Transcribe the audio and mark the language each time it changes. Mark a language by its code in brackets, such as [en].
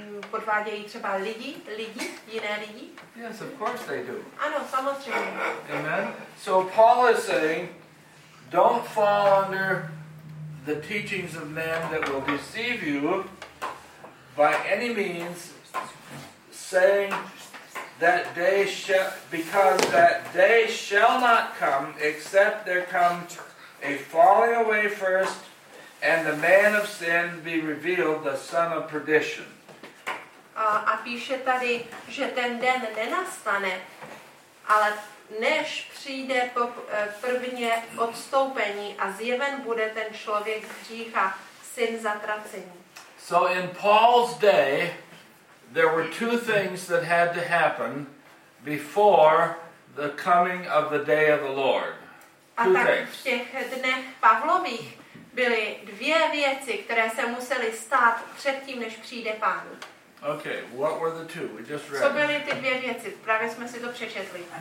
[cs] Podvádějí třeba lidi, jiné lidi? [en] Yes, of course they do. [cs] Ano, samozřejmě. [en] Amen. So Paul is saying, don't fall under the teachings of men that will deceive you by any means, saying that day shall, because that day shall not come except there come a falling away first and the man of sin be revealed, the son of perdition. [cs] A píše tady, že ten den nenastane, ale než přijde prvně odstoupení a zjeven bude ten člověk hřícha, syn zatracení. [en] So in Paul's day, there were two things that had to happen before the coming of the day of the Lord. Two things. [cs] V těch dnech Pavlových byly dvě věci, které se musely stát předtím, než přijde Pán. [en] Okay, what were the two? We just read. [cs] Co byly ty dvě věci? Právě jsme si to přečetli.